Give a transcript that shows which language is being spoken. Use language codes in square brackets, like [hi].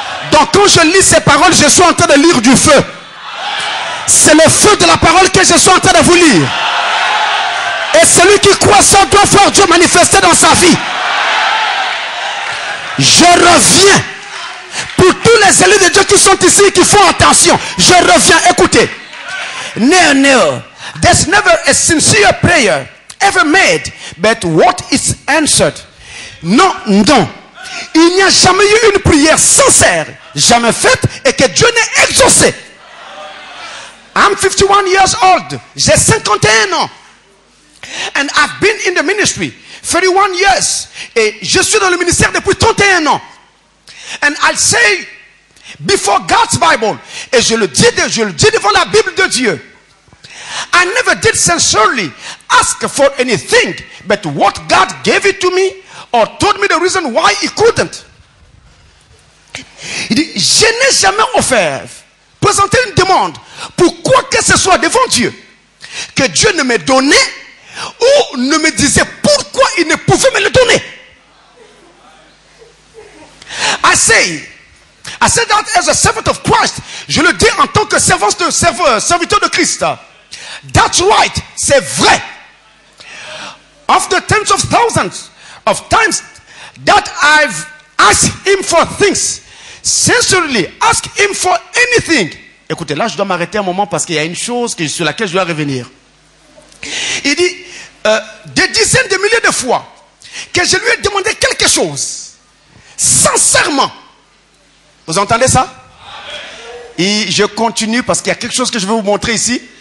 [fr] Donc quand je lis ces paroles, je suis en train de lire du feu. C'est le feu de la parole que je suis en train de vous lire. Et celui qui croit ça doit voir Dieu manifester dans sa vie. Je reviens. Pour tous les élus de Dieu qui sont ici, qui font attention, je reviens, écoutez. [en] No, there's never a sincere prayer ever made, but what is answered? [fr] Non, non. Il n'y a jamais eu une prière sincère, jamais faite, et que Dieu n'ait exaucé. [en] I'm 51 years old. [fr] J'ai 51 ans. [en] And I've been in the ministry 31 years. [fr] Et je suis dans le ministère depuis 31 ans. [en] And I'll say before God's Bible, [fr] et je le dis devant la Bible de Dieu, [en] I never did sincerely ask for anything but what God gave it to me or told me the reason why he couldn't. [fr] Il dit, je n'ai jamais offert, présenté une demande pour quoi que ce soit devant Dieu, que Dieu ne me donnait ou ne me disait pourquoi il ne pouvait me le donner. [en] I say that as a servant of Christ. [fr] Je le dis en tant que serviteur de Christ. [en] That's right, [fr] c'est vrai. [en] Of the tens of thousands of times that I've asked him for things, sincerely ask him for anything. [fr] Écoutez, là je dois m'arrêter un moment parce qu'il y a une chose sur laquelle je dois revenir. Il dit, des dizaines de milliers de fois que je lui ai demandé quelque chose. Sincèrement. Vous entendez ça? Amen. Et je continue parce qu'il y a quelque chose que je veux vous montrer ici.